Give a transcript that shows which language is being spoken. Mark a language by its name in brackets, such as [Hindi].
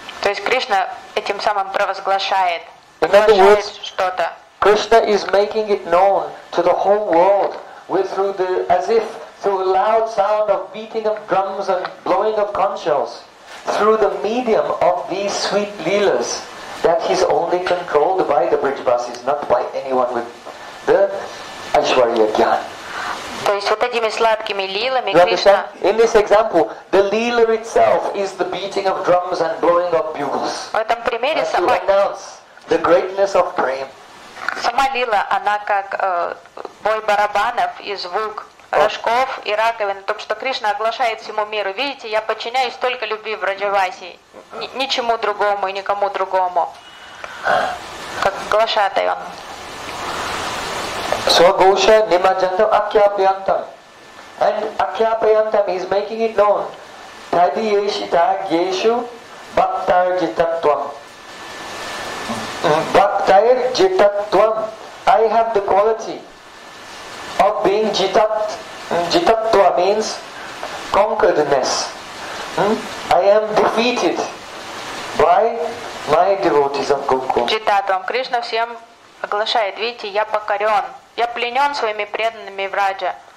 [Russian] То есть Кришна этим самым провозглашает. [English] In other words, [Russian] что-то. [English] Krishna is making it known to the whole world as if through a loud sound of beating of drums and blowing of conch shells, through the medium of these sweet leelas that he's only controlled by the Brijvasis, not by anyone with the Aishwarya Gyan. [Russian] То есть вот этими сладкими лилами Кришна. [English] In this example, the leela itself is the beating of drums and блоуинг of bugles. [Russian] В этом примере сама. [English] To announce the greatness of Prem. [Russian] Сама лила, она как бой барабанов и звук рожков и раковин, то, что Кришна оглашает всему миру. Видите, я подчиняюсь только любви в Враджаваси, ничему другому и никому другому. Как глашатай он. [Sanskrit] Свагоша Нимаджантам Акхьяпаянтам. [English] And Акхьяпаянтам is making it known. [Sanskrit] Тадиешита Гешу Бхактарджитаттвам. [English] Bhaktair Jitattvam. I have the quality of being Jitattva means conqueredness. I am defeated by my devotees of Gokul. [Russian] Jitattvam. Кришна всем оглашает. Видите, я покорен. Я пленен своими преданными враджа.